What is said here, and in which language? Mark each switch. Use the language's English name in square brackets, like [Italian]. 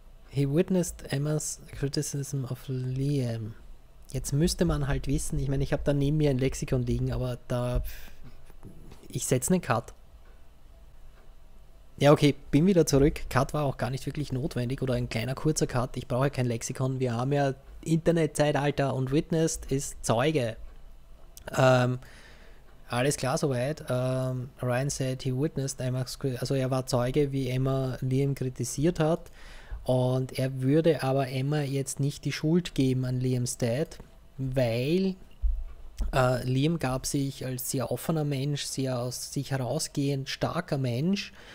[English] He witnessed Emma's criticism of Liam. [German] Jetzt müsste man halt wissen, ich meine, ich habe da neben mir ein Lexikon liegen, aber da... Ich setze einen Cut. Ja, okay, bin wieder zurück. Cut war auch gar nicht wirklich notwendig oder ein kleiner kurzer Cut. Ich brauche kein Lexikon. Wir haben ja Internetzeitalter und witnessed ist Zeuge. Alles klar soweit. [English] Ryan said he witnessed Emma's... [German] Also er war Zeuge, wie Emma Liam kritisiert hat. Und er würde aber Emma jetzt nicht die Schuld geben an Liams Dad, weil Liam gab sich als sehr offener Mensch, sehr aus sich herausgehend starker Mensch.